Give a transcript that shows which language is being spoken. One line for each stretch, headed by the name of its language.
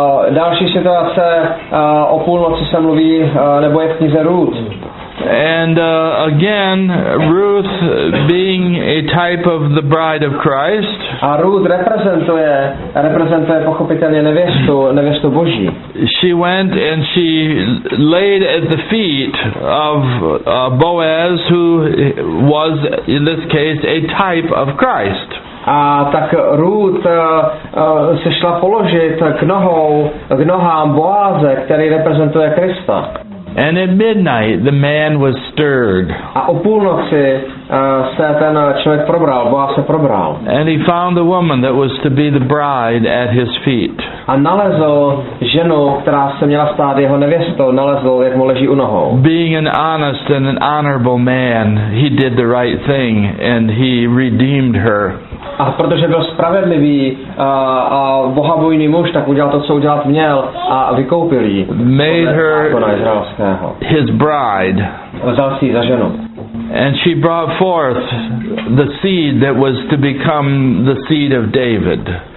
Czech: Další situace o půlnoci se mluví, nebo je v knize Ruth.
English: And again, Ruth being a type of the bride of Christ.
Czech: A Ruth reprezentuje pochopitelně nevěstu Boží.
English: She went and she laid at the feet of Boaz, who was in this case a type of Christ.
Czech: A tak Ruth se šla položit k nohám Boáze, který reprezentuje Krista.
English: And at midnight the man was stirred.
Czech: A o půlnoci se ten člověk probral, Boaz se probral.
English: And he found the woman that was to be the bride at his feet.
Czech: A nalezl ženu, která se měla stát jeho nevěstou, nalezl, jak mu leží u nohou.
English: Being an honest and an honorable man, he did the right thing and he redeemed her.
Czech: A protože byl spravedlivý a bohabojný muž, tak udělal to, co udělat měl, a vykoupil jí.
English: Made her his bride.
Czech: Vzal si ji za ženu.
English: And she brought forth the seed that was to become the seed of David.